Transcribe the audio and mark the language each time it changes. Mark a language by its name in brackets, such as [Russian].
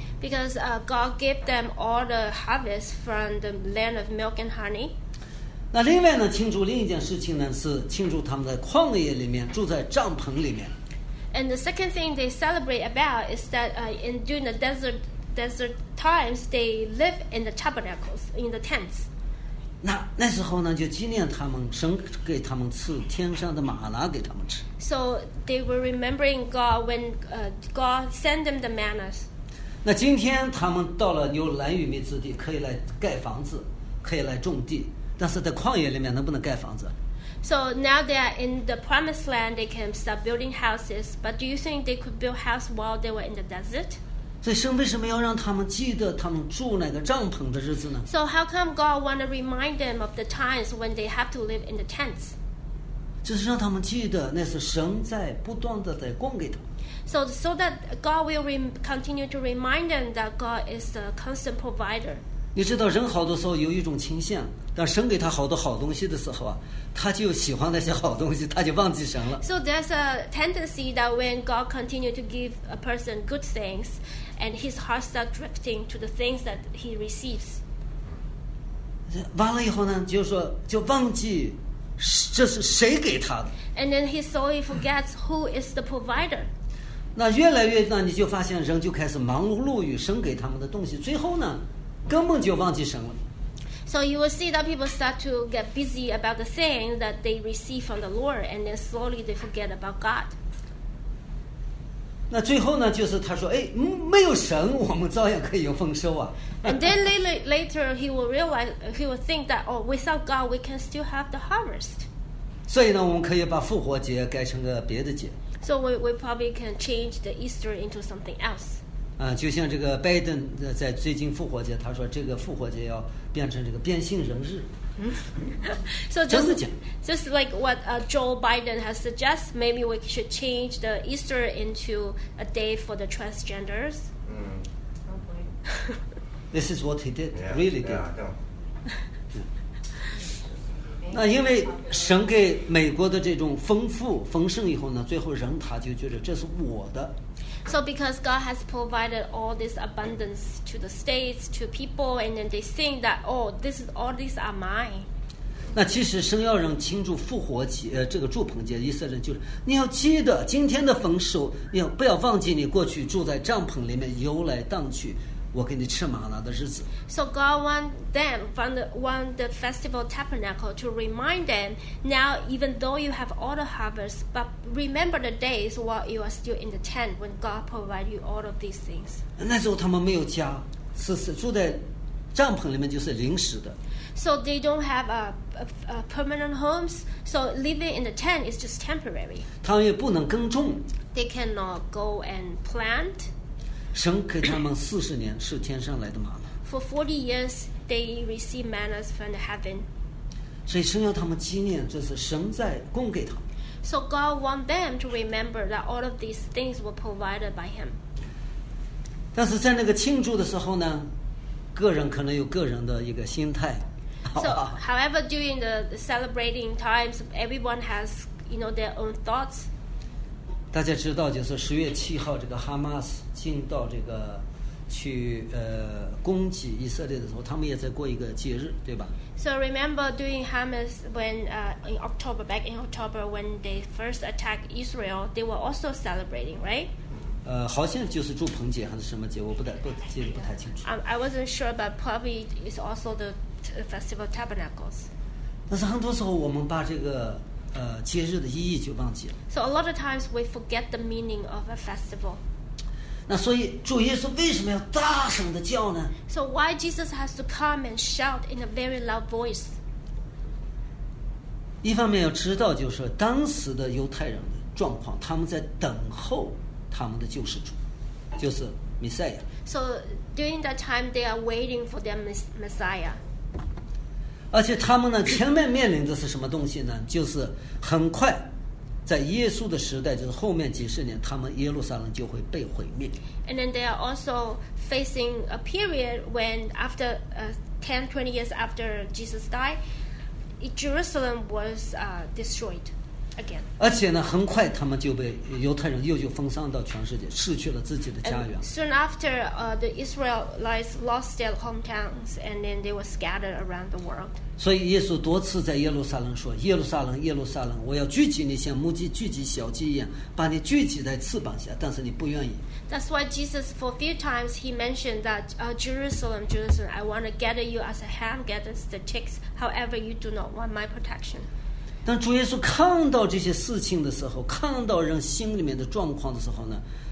[English] Because God gave them all the harvest from the land of milk and honey. [Chinese] 那另外呢，庆祝另一件事情呢，是庆祝他们在旷野里面住在帐篷里面。 [English] And the second thing they celebrate about is that during the desert times, they live in the tabernacles, in the tents. [Chinese] 那时候呢，就纪念他们神给他们赐天上的玛拿给他们吃。 [English] So they were remembering God when God sent them the manna. [Chinese] 那今天他们到了有蓝玉米之地，可以来盖房子，可以来种地，但是在旷野里面能不能盖房子？ [English] So now they are in the promised land, they can start building houses. But do you think they could build house while they were in the desert? [Chinese] 所以神为什么要让他们记得他们住那个帐篷的日子呢 [English] ？So how come God want to remind them of the times when they have to live in the tents? [Chinese] 就是让他们记得那是神在不断的在供给他们。 [English] So that God will continue to remind them that God is the constant provider. [Chinese] 你知道人好多时候有一种倾向，当神给他好多好东西的时候啊，他就喜欢那些好东西，他就忘记神了。 [English] So there's a tendency that when God continue to give a person good things, and his heart starts drifting to the things that he receives. [Chinese] 完了以后呢，就是说就忘记这是谁给他的。 [English] And then he slowly forgets who is the provider. [Chinese] 那越来越呢，你就发现人就开始忙碌于神给他们的东西，最后呢。根本就忘记神了。 [English] So you will see that people start to get busy about the thing that they receive from the Lord, and then slowly they forget about God. [Chinese] 那最后呢，就是他说，哎，没有神，我们照样可以有丰收啊。 [English] And then later he will realize, he will think that, oh, without God, we can still have the harvest. [Chinese] 所以呢，我们可以把复活节改成个别的节。 [English] So we probably can change the Easter into something else. [Chinese] 就像这个拜登在最近复活节，他说这个复活节要变成这个变性人日。 [English] So just like what Joe Biden has suggested, maybe we should change the Easter into a day for the transgenders. Mm. This is what he did, yeah, really did. Yeah, yeah. [Chinese] 那因为神给美国的这种丰富丰盛以后呢，最后人他就觉得这是我的。 [English] So because God has provided all this abundance to the states, to people, and then they think that, oh, this is all these are mine. [Chinese] 那其实神要让庆祝复活节，这个祝棚节，以色列人就是你要记得今天的丰收，你要不要忘记你过去住在帐篷里面游来荡去。我给你吃玛拿的日子。 [English] So God want them from the want the festival tabernacle to remind them. Now even though you have all the harvest, but remember the days while you are still in the tent when God provide you all of these things. [Chinese] 那时候他们没有家，是住在帐篷里面，就是临时的。 [English] So they don't have a permanent homes. So living in the tent is just temporary. [Chinese] 他们也不能耕种。 [English] They cannot go and plant. [Chinese] 神给他们四十年是天上来的玛拿。 [English] For 40 years, they receive manna from the heaven. [Chinese] 所以神要他们纪念，这是神在供给他们。 [English] So God want them to remember that all of these things were provided by Him. [Chinese] 但是在那个庆祝的时候呢，个人可能有个人的一个心态。 [English] So, however, during the celebrating times, everyone has, you know, their own thoughts. [Chinese] 大家知道，就是十月七号，这个哈马斯进到这个去攻击以色列的时候，他们也在过一个节日，对吧 [English] ？So remember during Hamas when in October, back in October when they first attacked Israel, they were also celebrating, right? [Chinese] 好像就是祝棚节还是什么节，我不太清楚。 [English] I wasn't sure, but probably it's also the festival tabernacles. [Chinese] 但是很多时候，我们把这个。节日的意义就忘记了。 [English] So a lot of times we forget the meaning of a festival. [Chinese] 那所以主耶稣为什么要大声的叫呢 [English] ？So why Jesus has to come and shout in a very loud voice? [Chinese] 一方面要知道就是当时的犹太人的状况，他们在等候他们的救世主，就是弥赛亚。 [English] So during that time they are waiting for their Messiah. [Chinese] 而且他们呢，前面面临的是什么东西呢？就是很快，在耶稣的时代，就是后面几十年，他们耶路撒冷就会被毁灭。 [English] And then they are also facing a period when after 10-20 years after Jesus died, Jerusalem was destroyed again. [Chinese] 而且呢，很快他们就被犹太人又就封杀到全世界，失去了自己的家园。 [English] And soon after, the Israelites lost their hometowns, and then they were scattered around the world. [Chinese] 所以耶稣多次在耶路撒冷说：“耶路撒冷，耶路撒冷，我要聚集你，像母鸡聚集小鸡一样，把你聚集在翅膀下。” 但是你不愿意。 [English] That's why Jesus, for a few times, he mentioned that, Jerusalem, Jerusalem, I want to gather you as a hen gathers the chicks. However, you do not want my protection. [Chinese] 当主耶稣看到这些事情的时候，看到人心里面的状况的时候呢？